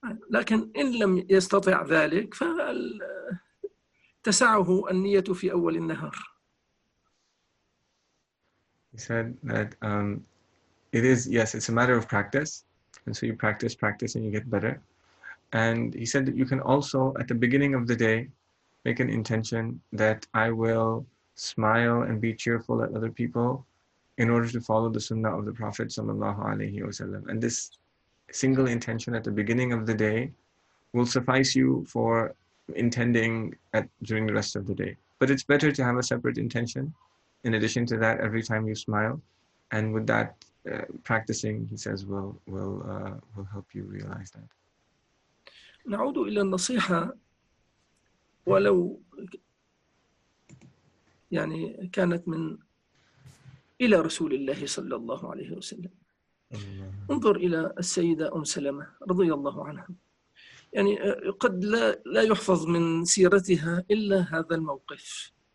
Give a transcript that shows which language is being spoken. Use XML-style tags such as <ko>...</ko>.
<ar>لكن إن لم يستطع ذلك فتسعه النية في أول النهار.</ar> <en>He said that it is, yes, it's a matter of practice. And so you practice and you get better. And he said that you can also, at the beginning of the day, make an intention that I will smile and be cheerful at other people in order to follow the sunnah of the Prophet sallallahu alaihi wasallam. And this single intention at the beginning of the day will suffice you for intending during the rest of the day. But it's better to have a separate intention. In addition to that, every time you smile, and with that practicing, he says, will help you realize that.</en> <ar>نعود إلى النصيحة ولو يعني كانت من إلى رسول الله صلى الله عليه وسلم. انظر إلى السيدة أم سلمة رضي الله عنها. يعني قد لا يحفظ من سيرتها إلا هذا الموقف.</ar>